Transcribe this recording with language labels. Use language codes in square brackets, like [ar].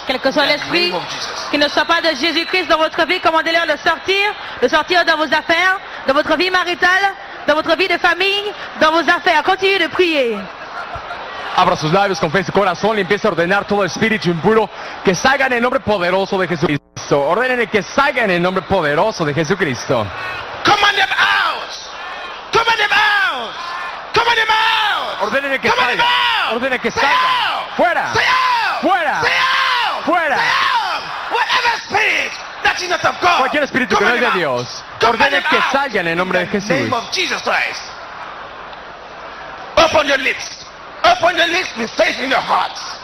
[fr] Quel que soit l'esprit qui ne soit pas de Jésus-Christ dans votre vie, commandez-leur de sortir dans vos affaires, dans votre vie maritale, dans votre vie de famille, dans vos affaires. Continuez de prier. [es] Abra sus labios con fe y su corazón y empiece a ordenar todo espíritu impuro que salga en el nombre poderoso de Jesucristo. Ordenen que salga en el nombre poderoso de Jesucristo. [en] Command them out. Command them out. Command them out. [es] Ordenen que salga. Ordenen que salga. Fuera. Fuera. Fuera. [en] Whatever spirit that is not of God. [es] Cualquier espíritu que no es de Dios. Ordenen que salga en el nombre de Jesús. [en] Name of Jesus Christ. Open your lips. Open your lips with faith in your hearts.